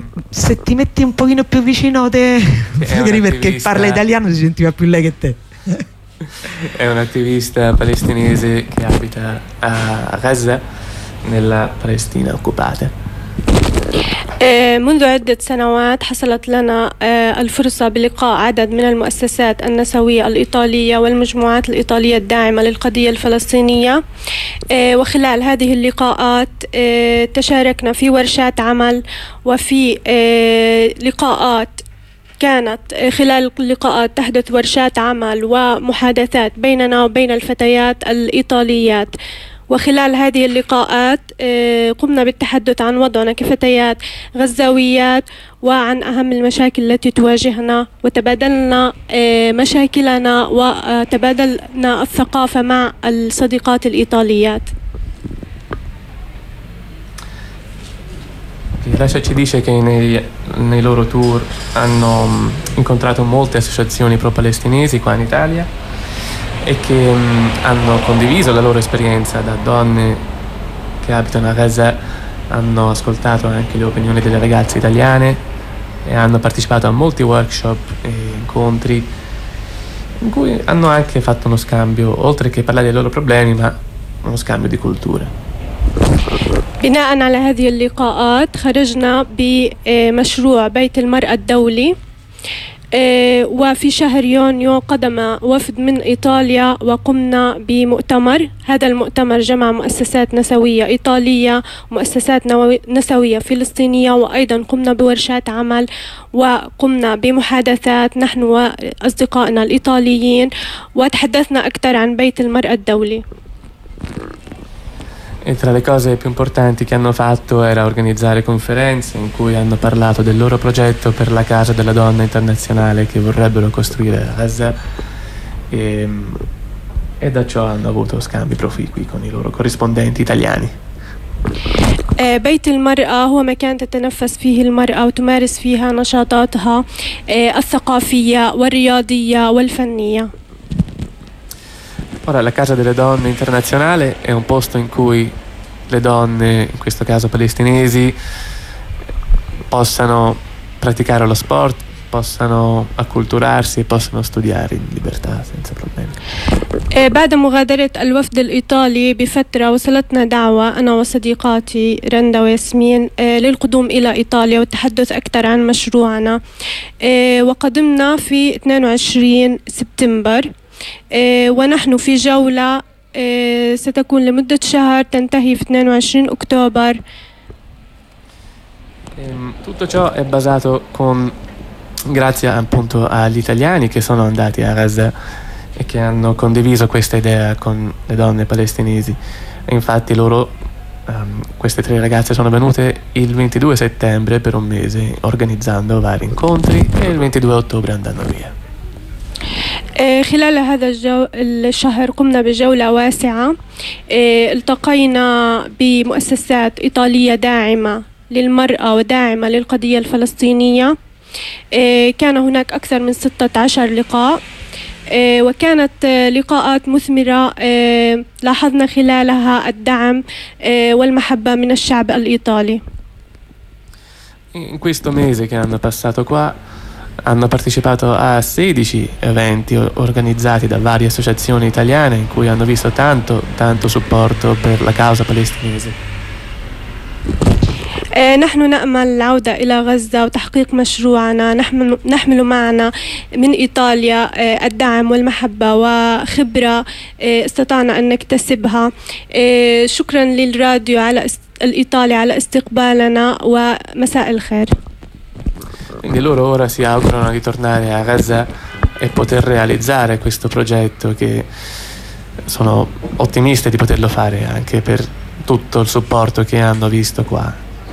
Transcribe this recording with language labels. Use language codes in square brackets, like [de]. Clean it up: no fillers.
[it] Se ti metti un pochino più vicino a te, magari, perché parla italiano si sentiva più lei che te. È un'attivista palestinese che abita a Gaza, nella Palestina occupata. [ar] منذ عدة سنوات حصلت لنا الفرصة بلقاء عدد من المؤسسات النسوية الإيطالية والمجموعات الإيطالية الداعمة للقضية الفلسطينية، وخلال هذه اللقاءات تشاركنا في ورشات عمل وفي لقاءات، كانت خلال اللقاءات تحدث ورشات عمل ومحادثات بيننا وبين الفتيات الإيطاليات. وخلال هذه اللقاءات قمنا بالتحدث عن وضعنا كفتيات غزاويات وعن أهم المشاكل التي تواجهنا، وتبادلنا مشاكلنا وتبادلنا الثقافة مع الصديقات الإيطاليات. [it] Lascia ci dice che nei loro tour hanno incontrato molte associazioni pro-palestinesi qua in Italia e che hanno condiviso la loro esperienza da donne che abitano a Gaza, hanno ascoltato anche le opinioni delle ragazze italiane e hanno partecipato a molti workshop e incontri in cui hanno anche fatto uno scambio, oltre che parlare dei loro problemi, ma uno scambio di culture. [ar] بناء على هذه اللقاءات خرجنا بمشروع بيت المرأة الدولي، وفي شهر يونيو قدم وفد من إيطاليا وقمنا بمؤتمر. هذا المؤتمر جمع مؤسسات نسوية إيطالية ومؤسسات نسوية فلسطينية، وأيضا قمنا بورشات عمل وقمنا بمحادثات نحن وأصدقائنا الإيطاليين، وتحدثنا أكثر عن بيت المرأة الدولي. [it] E tra le cose più importanti che hanno fatto era organizzare conferenze in cui hanno parlato del loro progetto per la Casa della Donna Internazionale che vorrebbero costruire a Gaza, e da ciò hanno avuto scambi proficui con i loro corrispondenti italiani. [ar] بيت المرأة هو مكان تتنفس فيه المرأة وتمارس فيها نشاطاتها الثقافية والرياضية والفنية. [it] Ora, la Casa delle Donne Internazionale è un posto in cui le donne, in questo caso palestinesi, possano praticare lo sport, possano acculturarsi e possano studiare in libertà senza problemi. [ar] بعد مغادرة الوفد الإيطالي بفترة وصلتنا دعوة أنا وصديقاتي رندا وياسمين للقدوم إلى إيطاليا والتحدث أكثر عن مشروعنا، وقدمنا في 22 سبتمبر. ونحن في جولة ستكون لمدة شهر تنتهي في 22 أكتوبر. [it] Tutto ciò è basato con grazie appunto agli italiani che sono andati a Gaza e che hanno condiviso questa idea con le donne palestinesi. Infatti loro, queste tre ragazze sono venute il 22 settembre per un mese organizzando vari incontri e il 22 ottobre andando via. [ar] خلال هذا الشهر قمنا بجولة واسعة، التقينا بمؤسسات إيطالية داعمة للمرأة وداعمة للقضية الفلسطينية، كان هناك أكثر من 16 لقاء، وكانت لقاءات مثمرة، لاحظنا خلالها الدعم والمحبة من الشعب الإيطالي. [it] In questo mese che hanno passato qua hanno partecipato a 16 eventi organizzati da varie associazioni italiane in cui hanno visto tanto, tanto supporto per la causa palestinese. [ar] نحن نأمل العودة إلى غزة وتحقيق مشروعنا. نحمل معنا من إيطاليا الدعم والمحبة وخبرة استطعنا أن نكتسبها. شكرا للراديو على الإيطالي على استقبالنا ومساء الخير. [it] Quindi loro ora si augurano di tornare a Gaza e poter realizzare questo progetto, che sono ottimiste di poterlo fare anche per tutto il supporto che hanno visto qua.